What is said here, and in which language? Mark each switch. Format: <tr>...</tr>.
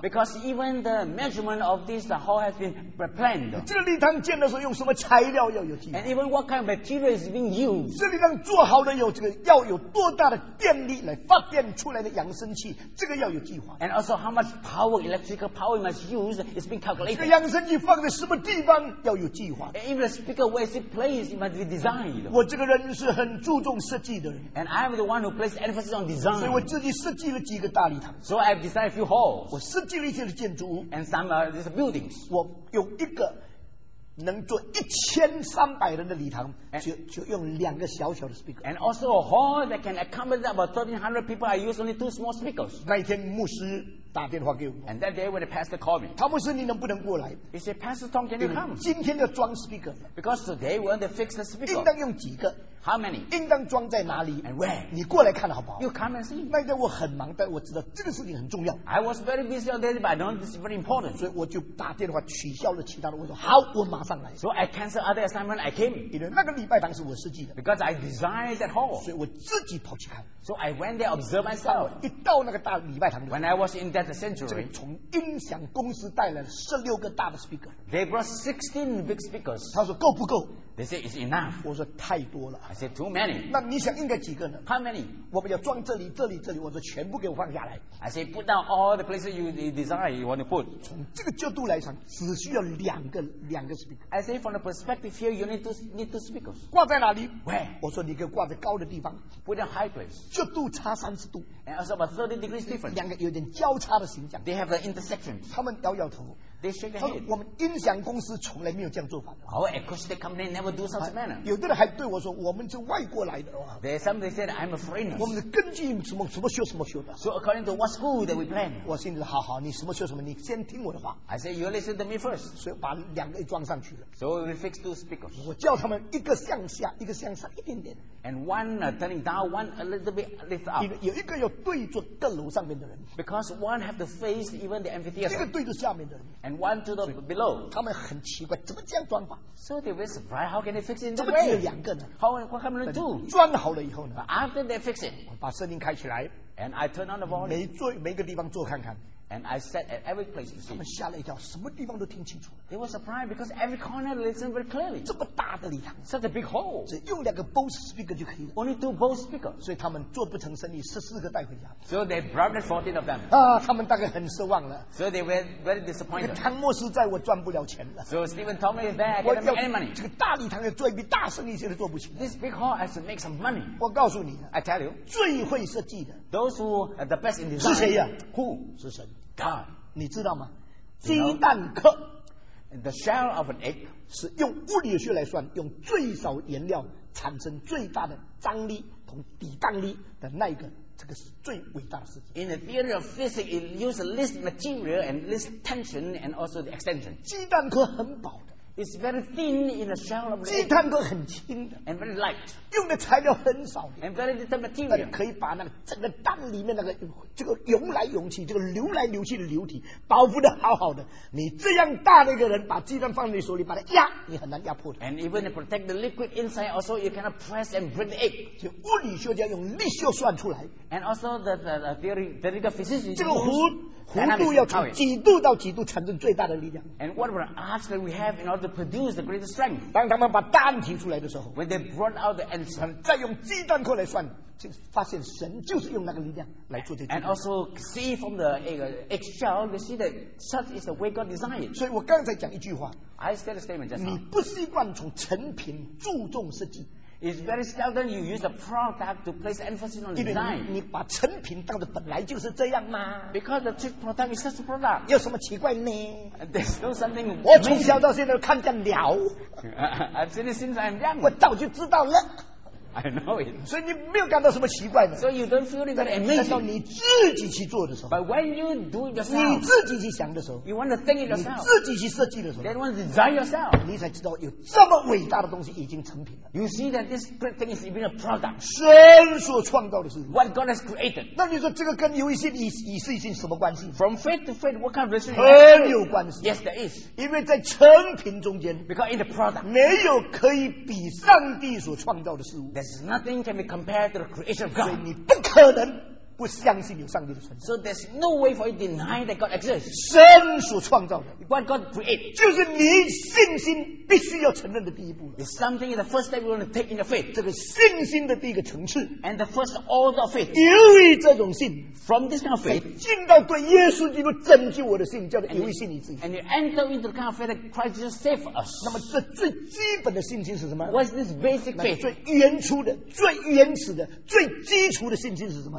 <en>Because even the measurement of this hall has been planned.</en> <zh>这个地方建的时候用什么材料要有计划。</zh> <en>And even what kind of material is being used.</en> <zh>这个地方做好了有这个要有多大的电力来发电出来的扬声器，这个要有计划。</zh> <en>And also how much power, electrical power must use is being calculated.</en> <zh>这个扬声器放在什么地方要有计划。</zh> <en>And even the speaker where is it placed, it must be designed.</en> <zh>我这个人是很注重设计的人。</zh> <en>And I am the one who places emphasis on design.</en> <zh>所以我自己设计了几个大礼堂。</zh> <en>So I've designed a few halls.</en> <zh>我设计了一些建筑物。</zh> <en>And some of these buildings.</en> <zh>我有一个能做1300人的礼堂， and, 就用两个小小的 speaker.</zh> <en>And also a hall that can accommodate about 1300 people, I use only two small speakers.</en> <zh>那一天牧师打电话给我。</zh> <en>And that day when the pastor called me,</en> <zh>他们说你能不能过来？</zh> <en>He said, Pastor Tom, can you come?</en> <zh>今天要装 speaker,</zh> <en>because today we want to fix the speaker.</en> <zh>应当用几个？</zh> <en>How many?</en> <zh>应当装在哪里？</zh> <en>And where?</en> <zh>你过来看好不好？</zh> <en>You come and see.</en> <zh>那天我很忙，但我知道这个事情很重要。</zh> <en>I was very busy on that, but I know this is very important.</en> <zh>所以我就打电话取消了其他的。我说好，我马上来。</zh> <en>So I canceled other assignment. I came.</en> <zh>因为那个礼拜堂是我设计的。</zh> <en>Because I designed that hall.</en> <zh>所以我自己跑去看。</zh> <en>So I went there, observed myself.</en> <zh>一到那个大礼拜堂。</zh> <en>When I was in that sanctuary,</en> <zh>这边从音响公司带了16个大的 speaker.</zh> <en>They brought 16 big speakers.</en> <zh>他说够不够？</zh> <en>They say it's enough.</en> <zh>我说太多了。</zh> <en>I said too many.</en> <zh>那你想应该几个呢？</zh> <en>How many?</en> <zh>我们要装这里、这里、这里。我说全部给我放下来。</zh> <en>I said put down all the places you desire you want to put.</en> <zh>从这个角度来讲，只需要两个 speaker.</zh> <en>I said from the perspective here, you need two speakers.</en> <zh>挂在哪里？</zh> <en>Where?</en> <zh>我说你可以挂在高的地方。</zh> <en>Put in high place.</en> <zh>角度差30度。</zh> <en>And also about 30 degrees difference.</en> <zh>两个有点交叉的形状。</zh> <en>They have an intersection.</en> <zh>他们摇摇头。他说我们音响公司从来没有这样做法的。</zh> <en>Our acoustic company never do such manner.</en> <zh>有的人还对我说我们是外国来的。</zh> <en>There some they said I'm a foreigner.</en> <zh>我们是根据什么修什么修的。</zh> <en>So according to what school that we plan.</en> <zh>我心里说好好，你什么修什么，你先听我的话。</zh> <en>I say you listen to me first.</en> <zh>所以把两个装上去了。</zh> <en>So we fix two speakers.</en> <zh>我叫他们一个向下，一个向上一点点。</zh> <en>And one turning down, one a little bit lift up.</en> <zh>有一个要对着更楼上面的人。</zh> <en>Because one have to face even the amphitheater.</en> <zh>一个对着下面的人。</zh> <en>And one to the below.</en> <zh>他们很奇怪，怎么这样装法？</zh> <en>So they were surprised. How can they fix it in the way?</en> <zh>怎么只有两个呢？</zh> <en>How can they do?</en> <zh>装好了以后呢？</zh> <en>But after they fix it,</en> <zh>我把声音开起来。</zh> <en>And I turn on the volume.</en> <zh>每个地方坐看看。</zh> <en>And I sat at every place to see.</en> <zh>他们吓了一跳，什么地方都听清楚。</zh> <en>They were surprised because every corner listened very clearly.</en> <zh>这么大的礼堂，</zh> <en>such a big hall.</en> <zh>只用两个 Bose speaker 就可以了。</zh> <en>Only two Bose speaker.</en> <zh>所以他们做不成生意，14个带回家。</zh> <en>So they brought 14 of them.</en> <zh>啊，他们大概很失望了。</zh> <en>So they were very disappointed.</en> <zh>汤莫斯在我赚不了钱了。</zh> <en>So Stephen told me that I can't make any money.</en> <zh>这个大礼堂要做一笔大生意，现在做不起。</zh> <en>This big hall has to make some money.</en> <zh>我告诉你，</zh> <en>I tell you,</en> <zh>最会设计的，</zh> <en>those who are the best in design.</en> <zh>是谁呀？</zh> <en>Who?</en> <zh>是神。</zh> <en>God,</en> <zh>你知道吗？鸡蛋壳</zh> <en>，the shell of an egg,</en> <zh>是用物理学来算，用最少颜料产生最大的张力同抵抗力的那一个，这个是最伟大的事情。</zh> <en>In the theory of physics, it uses least material and least tension and also the extension.</en> <zh>鸡蛋壳很薄的。</zh> <en>It's very thin in the shell of the egg.</en> <zh>鸡蛋壳很轻的</zh> <en>，and very light.</en> <zh>用的材料很少的</zh> <en>，and very little material.</en> <zh>可以把那个整个蛋里面那个这个涌来涌去，这个流来流去的流体保护的好好的。你这样大的一个人，把鸡蛋放在你手里，把它压，你很难压破的。</zh> <en>And even to protect the liquid inside, also you cannot press and break the egg.</en> <zh>就物理学家用力学算出来。</zh> <en>And also the theory, the legal physicist.</en> <zh>这个弧度要从几度到几度产生最大的力量。</zh> <en>And what were asked that we have in order to produce the greatest strength?</en> <zh>当他们把蛋提出来的时候</zh> <en>，when they brought out the answer,</en> <zh>再用鸡蛋壳来算。就发现神就是用那个力量来做这件</zh> <en>事。And also see from the eggshell, you see that such is the way God designed.</en> <zh>所以我刚才讲一句话。</zh> <en>I said a statement just now.</en> <zh>你不习惯从成品注重设计。</zh> <en>It's very seldom you use a product to place emphasis on design.</en> <zh>你把成品当作本来就是这样吗？</zh> <en>Because the cheap product is such a product.</en> <zh>有什么奇怪呢？</zh> <en>There's no something.</en> <zh>我从小到现在看见鸟。</zh> <en>I've seen it since I'm young.</en> <zh>我早就知道了。</zh> <en>I know it.</en> <zh>所以你没有感到什么奇怪的。</zh> <en>So you don't feel that amazing. 但</en> <zh>是你自己去做的时候。</zh> <en>But when you do it yourself.</en> <zh>你自己去想的时候。</zh> <en>You want to think it yourself.</en> <zh>你自己去设计的时候。</zh> <en>Then when you design yourself.</en> <zh>你才知道有这么伟大的东西已经成品了。</zh> <en>You see that this great thing is even a product.</en> <zh>神所创造的事。</zh> <en>What God has created.</en> <zh>那你说这个跟有一些以性什么关系？</zh> <en>From faith to faith, what kind of relationship?</en> <zh>很有关系。</zh> <en>Yes, there is.</en> <zh>因为在成品中间。</zh> <en>Because in the product.</en> <zh>没有可以比上帝所创造的事物。</zh> <en>Nothing can be compared to the creation of God.</en> <zh>所以你不可能不相信有上帝的存在。</zh> <en>So there's no way for you to deny that God exists.</en> <zh>神所创造的</zh> <en>，What God created，</en> <zh>就是你信心必须要承认的第一步。</zh> <en>It's something the first step you want to take in your faith.</en> <zh>这个信心的第一个层次</zh> <en>，and the first order of faith.</en> <zh>由于这种信</zh> <en>，from this kind of faith，</en> <zh>进到对耶稣基督拯救我的信，叫做由于信你自己。</zh> <en>And you enter into the kind of faith that Christ Jesus saved us.</en> <zh>那么这最基本的信心是什么</zh> <en>？What's this basic faith？</en> <zh>最原初的、最原始的、最基础的信心是什么</zh>